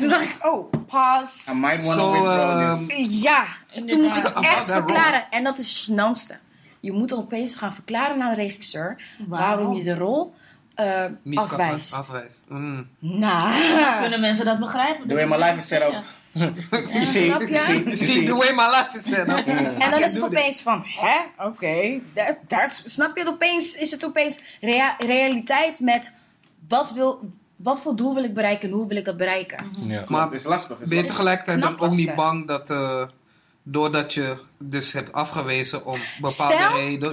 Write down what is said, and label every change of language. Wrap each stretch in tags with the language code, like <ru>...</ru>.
<nl>Toen dacht ik, pause.</nl> <en>I might want to</en> <nl>Ja. En toen moest ik echt verklaren. En dat is het gênantste. Je moet opeens gaan verklaren naar de regisseur... waarom je de rol afwijst. Nou, kunnen mensen dat begrijpen?</nl> <en>The way my life is set up. You see the way my life is set up.</en> <nl>En dan is het opeens van... hè? Oké. Snap je? Opeens is het opeens realiteit met... wat voor doel wil ik bereiken en hoe wil ik dat bereiken? Ja. Maar is lastig. Ben je tegelijkertijd dan ook niet bang dat... doordat je dus hebt afgewezen om bepaalde redenen.</nl>